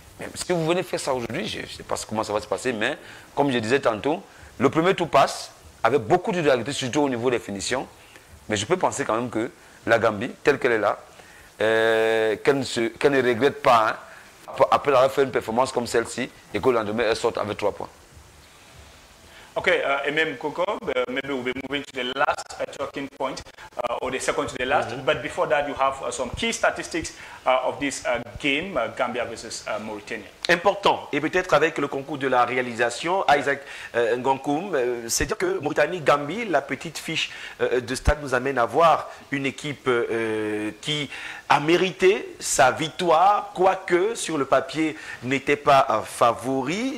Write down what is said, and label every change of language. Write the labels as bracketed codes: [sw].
[fr] Même si vous venez faire ça aujourd'hui, je ne sais pas comment ça va se passer, mais comme je disais tantôt, le premier tour passe avec beaucoup de dualités, surtout au niveau des finitions. Mais je peux penser quand même que la Gambie, telle qu'elle est là, qu'elle ne regrette pas, hein, après avoir fait une performance comme celle-ci, et que le lendemain, elle sort avec 3 points. [en] Ok, [fr] et même [en] Coco, maybe we'll be moving to the last talking point, or the second to the last. Mm-hmm. But before that, you have some key statistics of this game, Gambia versus Mauritania. [fr] Important, et peut-être avec le concours de la réalisation, Isaac Ngonkoum, c'est-à-dire que Mauritanie-Gambie, la petite fiche de stade nous amène à voir une équipe qui a mérité sa victoire, quoique sur le papier n'était pas favori.